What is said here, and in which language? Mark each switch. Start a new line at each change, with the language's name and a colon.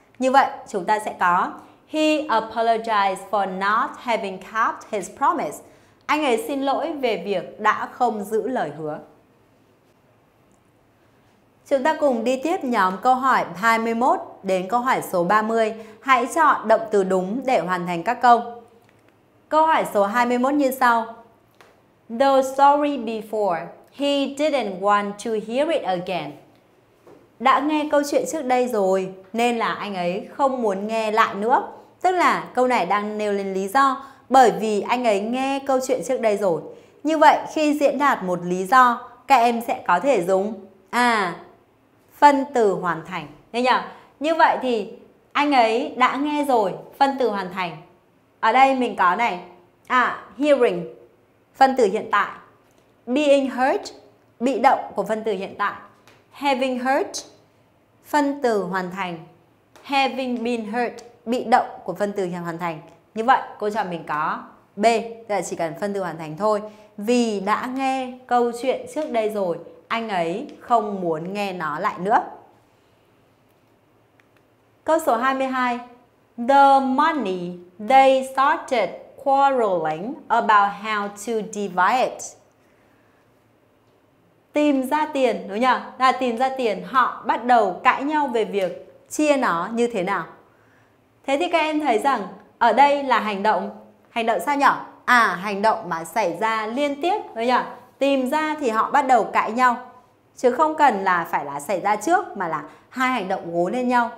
Vietnamese: Như vậy chúng ta sẽ có:
English: he apologized for not having kept his promise.
Vietnamese: Anh ấy xin lỗi về việc đã không giữ lời hứa. Chúng ta cùng đi tiếp nhóm câu hỏi 21 đến câu hỏi số 30. Hãy chọn động từ đúng để hoàn thành các câu. Câu hỏi số 21 như sau.
English: The story before, he didn't want to hear it again.
Vietnamese: Đã nghe câu chuyện trước đây rồi, nên là anh ấy không muốn nghe lại nữa. Tức là câu này đang nêu lên lý do bởi vì anh ấy nghe câu chuyện trước đây rồi. Như vậy khi diễn đạt một lý do, các em sẽ có thể dùng phân từ hoàn thành. Nghe nhỉ? Như vậy thì anh ấy đã nghe rồi, phân từ hoàn thành. Ở đây mình có này, hearing, phân từ hiện tại. Being heard, bị động của phân từ hiện tại. Having heard, phân từ hoàn thành. Having been heard, bị động của phân từ hoàn thành. Như vậy, cô cho mình có B, tức là chỉ cần phân từ hoàn thành thôi. Vì đã nghe câu chuyện trước đây rồi, anh ấy không muốn nghe nó lại nữa. Câu số 22.
English: The money they started quarreling about how to divide.
Vietnamese: Tìm ra tiền, đúng nhỉ? Là tìm ra tiền, họ bắt đầu cãi nhau về việc chia nó như thế nào. Thế thì các em thấy rằng ở đây là hành động sao nhỉ? Hành động mà xảy ra liên tiếp, đúng nhỉ? Tìm ra thì họ bắt đầu cãi nhau, chứ không cần là phải là xảy ra trước, mà là hai hành động gối lên nhau.